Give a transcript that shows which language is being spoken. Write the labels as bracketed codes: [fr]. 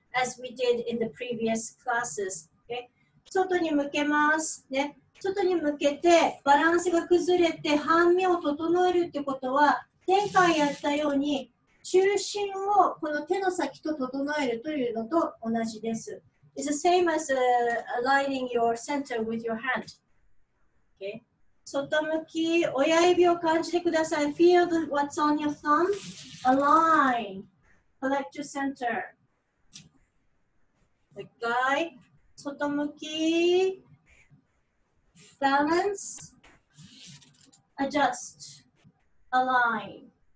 [en] as we did in the previous classes okay? [ja] 外に向けます、ね、外に向けてバランスが崩れてハンミを整えるってことは前回やったように中心をこの手の先と整えるというのと同じです [en] It's the same as aligning your center with your hand. Okay. [ja] 外向き、親指を感じてください。 [en] Feel what's on your thumb. Align. Collect your center. The guy. [ja] 外向き。 [en] Balance. Adjust. Align.